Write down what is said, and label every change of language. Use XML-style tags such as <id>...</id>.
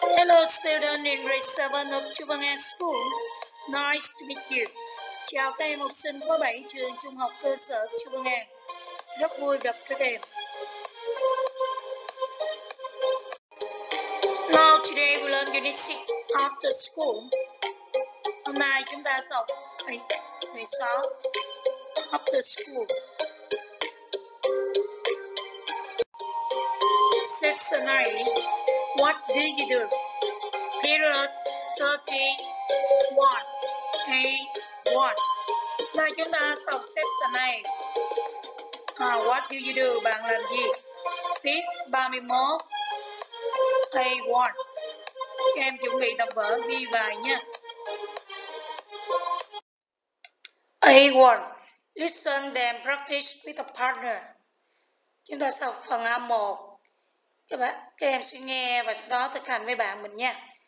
<en>Hello, student in grade 7 of Chuvang High School. Nice to meet you.</en> <vi>Chào các em học sinh khối 7 trường trung học cơ sở Chuvang High. Rất vui gặp các em.</vi> <en>Now, today we learn Unit 6 after school.</en> <vi>Hôm nay chúng ta sẽ học bài 16</vi> <en>after school. Session 9. What do you do? Period 31 A1.</en> <vi>Và chúng ta sẽ học session này.</vi> <en>What do you do?</en> <vi>Bạn làm gì? Tiết 31 A1. Em chuẩn bị tập vở ghi bài nha.</vi> <en>A1. Listen then practice with a partner.</en> <vi>Chúng ta sẽ học phần A1. Các em sẽ nghe và sau đó thực hành với bạn mình nha.</vi>